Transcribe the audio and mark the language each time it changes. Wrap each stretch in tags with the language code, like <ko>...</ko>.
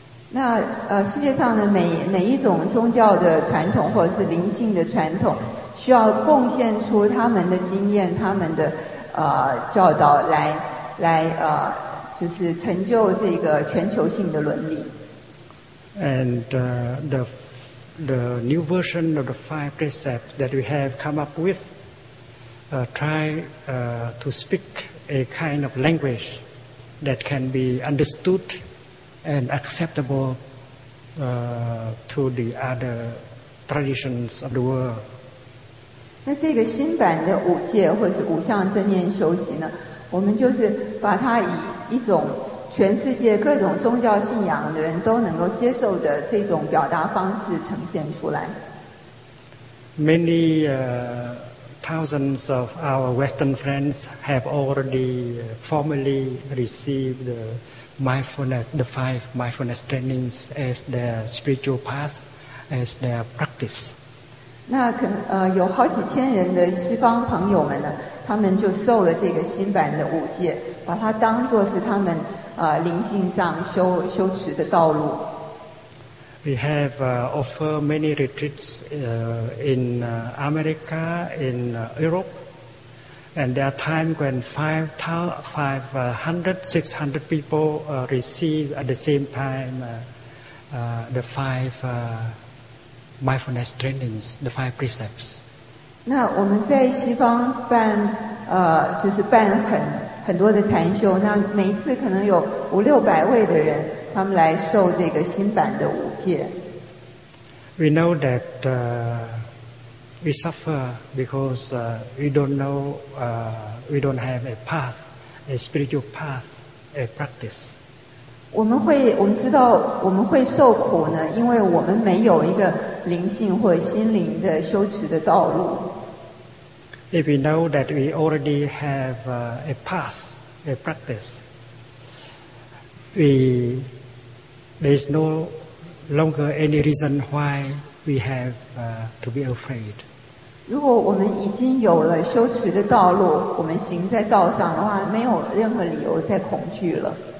<zh>那世界上的每一种宗教的传统或者是灵性的传统，需要贡献出他们的经验，他们的教导来就是成就这个全球性的伦理。</zh> <en>And the new version of the five precepts that we have come up with try to speak a kind of language that can be understood and acceptable to the other traditions of the world.</en> <zh>那这个新版的五戒或是五项正念修习呢，我们就是把它以一种全世界各种宗教信仰的人都能够接受的这种表达方式呈现出来。</zh> <en>Many thousands of our Western friends have already formally received mindfulness, the five mindfulness trainings as their spiritual path, as their practice.</en> <zh>那可能有好几千人的西方朋友们呢，他们就受了这个新版的五戒，把它当作是他们灵性上修持的道路。</zh> <en>We have offered many retreats in America, in Europe, and there are times when 500-600 people receive at the same time the five mindfulness trainings, the five precepts.</en> <zh>那我们在西方办就是办很多的禅修，那每一次可能有500-600位的人，他们来受这个新版的五戒。</zh> <en>We know that we suffer because we don't know, we don't have a path, a spiritual path, a practice.</en> <zh>我们知道我们会受苦呢，因为我们没有一个灵性或心灵的修持的道路。</zh> <en>If we know that we already have a path, a practice, there is no longer any reason why we have to be afraid.</en> <zh>如果我们已经有了修持的道路，我们行在道上的话，没有任何理由再恐惧了。</zh>